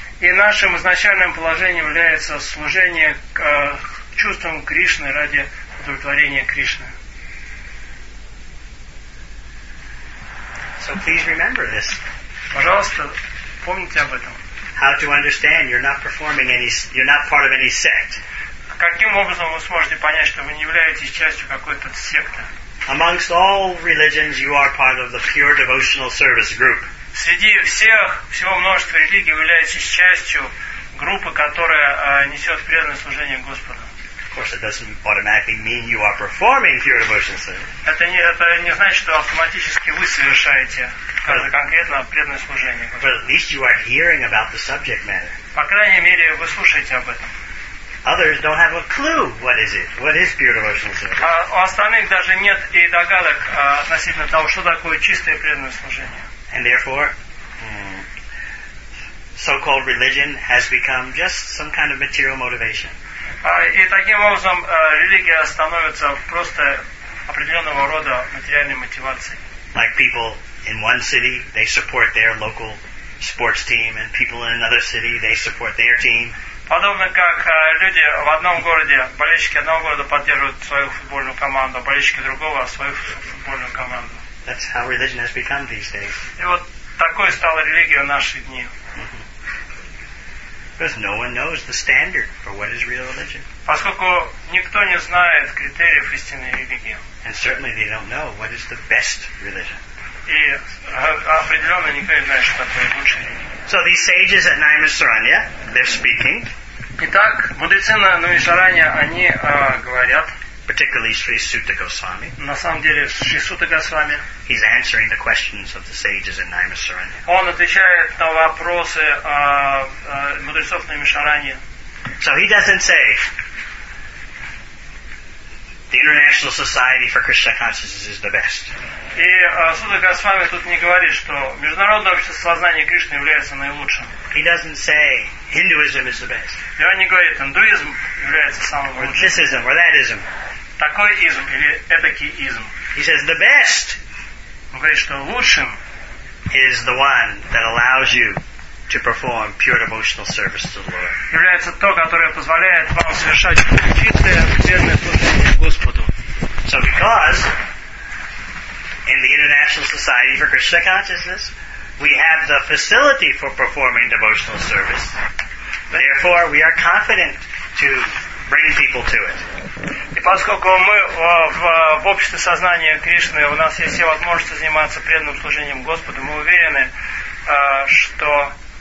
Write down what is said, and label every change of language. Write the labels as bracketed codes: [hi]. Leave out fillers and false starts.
[ru] И нашим изначальным положением является служение чувствам Кришны ради удовлетворения Кришны. [en] So please remember this. [ru] Пожалуйста, помните об этом. [en] How to understand you're not performing any, you're not part of any sect. [ru] Каким образом вы сможете понять, что вы не являетесь частью какой-то секты? [en] Amongst all religions, you are part of the pure devotional service group. [ru] Среди всех, всего множества религий, вы являетесь частью группы, которая несет преданное служение Господу. [en] Of course, it doesn't automatically mean you are performing pure devotional service. [ru] Это не значит, что автоматически вы совершаете каждое конкретное преданное служение. [en] But at least you are hearing about the subject matter. [ru] По крайней мере, вы слушаете об этом. [en] Others don't have a clue what is it, what is pure devotional service. [ru] У остальных даже нет и догадок относительно того, что такое чистое преданное служение. [en] And therefore, so-called religion has become just some kind of material motivation. [ru] И таким образом религия становится просто определенного рода материальной мотивацией. [en] Like people in one city, they support their local sports team, and people in another city, they support their team. [ru] Подобно как люди в одном городе, болельщики одного города поддерживают свою футбольную команду, болельщики другого свою футбольную команду. [en] That's how religion has become these days. [ru] И вот такой стала религия в наши дни. [en] Because no one knows the standard for what is real religion. [ru] Поскольку никто не знает критериев истинной религии. [en] And certainly they don't know what is the best religion. [ru] И определенно никто не знает, что такое лучшая религия. [en] So these sages at Naimisaranya, they're speaking. [ru] Итак, мудрецы на Наимисаранья, они говорят. [en] Particularly Sri Suta Goswami. [ru] На самом деле, Sri Suta Goswami. [en] He's answering the questions of the sages at Naimisaranya. [ru] Он отвечает на вопросы мудрецов на Наимисаранья. [en] So he doesn't say the International Society for Krishna Consciousness is the best. [ru] И Суда Госвами тут не говорит, что международное общество сознания Кришны является наилучшим. [en] He doesn't say Hinduism is the best. [ru] И он не говорит, индуизм является самым лучшим. [en] Or this ism, or that ism. [ru] Такой изм или этакий изм. [en] He says the best. [ru] Он говорит, что лучшим [en] is the one that allows you to perform pure devotional service to the Lord. [ru] Является то, которое позволяет вам совершать чистое, преданное служение Господу. [en] So because in the International Society for Krishna Consciousness, we have the facility for performing devotional service. Therefore, we are confident to bring people to it. [ru] И поскольку мы в обществе сознания Кришны, у нас есть все возможности заниматься преданным служением Господу, мы уверены, что